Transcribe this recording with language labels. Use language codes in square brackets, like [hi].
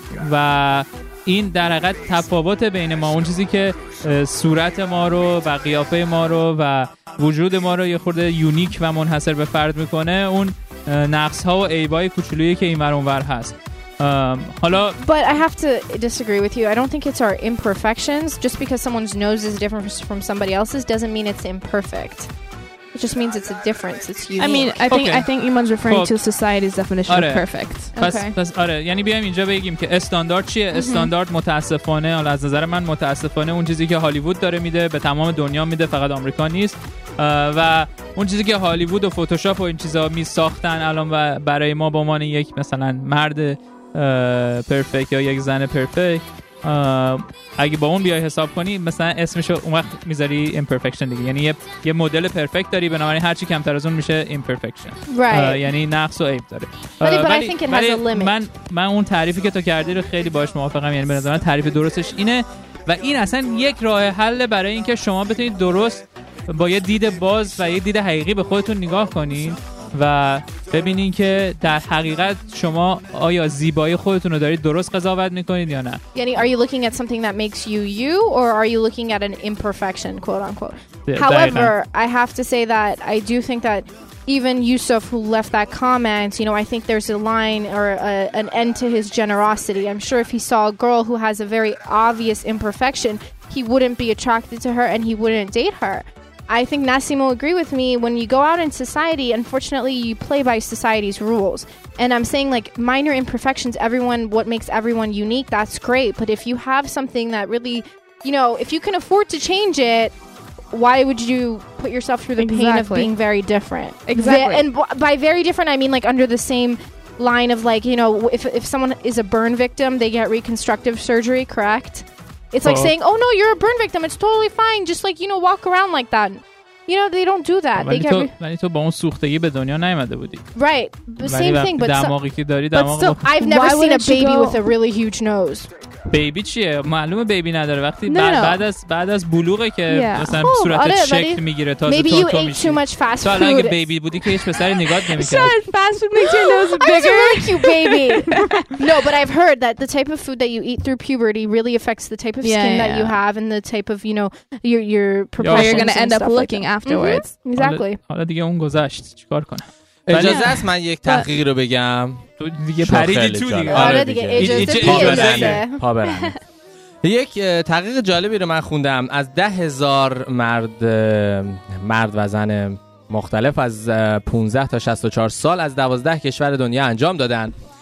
[fa] و این در حقیقت تفاوت بین ما، اون چیزی که صورت ما رو و قیافه ما رو و وجود ما رو یه خورده یونیک و منحصر به فرد میکنه، اون نقص ها و عیبای کوچولویی که این ور اون ور هست. حالا [en] But I have to disagree with you. I don't think it's our imperfections. Just because someone's nose is different from somebody else's doesn't mean it's imperfect. It just means it's a difference. It's unique. I mean, I think Iman's referring to society's definition [fa] آره. [en] of perfect. [fa] پس آره، یعنی بیایم اینجا بگیم که استاندارد چیه؟ استاندارد متاسفانه، حالا از نظر من متاسفانه، اون چیزی که هالیوود داره میده به تمام دنیا میده، فقط آمریکا نیست. و اون چیزی که هالیوود و فتوشاپ و این چیزا می ساختن الان و برای ما به عنوان یک مثلا مرد پرفکت یا یک زن پرفکت، اگه با اون بیای حساب کنی، مثلا اسمشو اون وقت میذاری imperfection دیگه، یعنی یه مدل پرفکت داری، بنابراین هرچی کمتر از اون میشه imperfection. [en] Right. [fa] یعنی نقص و عیب داره. [en] But I think it has a limit. [fa] من اون تعریفی که تو کردی رو خیلی باش موافقم، یعنی به نظر من تعریف درستش اینه و این اصلا یک راه حل برای اینکه شما بتونید درست با یه دید باز و یه دید حقیقی به خودتون نگاه کنین و ببینین که در حقیقت شما آیا زیبایی خودتون رو دارید درست قضاوت میکنید یا نه. [en] یعنی are you looking at something that makes you you or are you looking at an imperfection quote unquote. However, I have to say that I do think that even Yusuf who left that comment, you know, I think there's a line or an end to his generosity. I'm sure if he saw a girl who has a very obvious imperfection, he wouldn't be attracted to her and he wouldn't date her. I think Nassim will agree with me. When you go out in society, unfortunately, you play by society's rules. And I'm saying, like, minor imperfections, everyone, what makes everyone unique, that's great. But if you have something that really, you know, if you can afford to change it, why would you put yourself through the exactly. pain of being very different? Exactly. And by very different, I mean, like, under the same line of, like, you know, if someone is a burn victim, they get reconstructive surgery, correct? It's like saying, "Oh no, you're a burn victim. It's totally fine. Just like, you know, walk around like that." You know, they don't do that. They [fa] get ولی تو با اون سوختگی به دنیا نیومده بودی. [en] Right. Same thing, but [fa] دماغی که داری دماغ [en] But still, I've never seen a baby with a really huge nose. [fa] بیبی چیه؟ معلومه بیبی نداره وقتی بعد از بلوغه که مثلا صورتت شکل میگیره تازه تو میشی. مثلا اگه [en] like [fa] بیبی بودی که هیچ پسری نگات نمی‌کرد. [en] Fast food makes your nose bigger. I'm like you baby. No, but I've heard that the type of food that you eat through puberty really affects the type of skin that you have and the type of, you know, your proportions. How you're going to end up looking afterwards. Exactly. [fa] حالا دیگه اون گذشت. چیکار کنم؟ اجازه است من یک تحقیق رو بگم. تو دیگه پریدی تو دیگه. آره دیگه اجازه پا برنده. یک تحقیق جالبی رو من خوندم از 10,000 مرد و زن مختلف از 15 تا 64 سال از 12 کشور دنیا انجام دادن.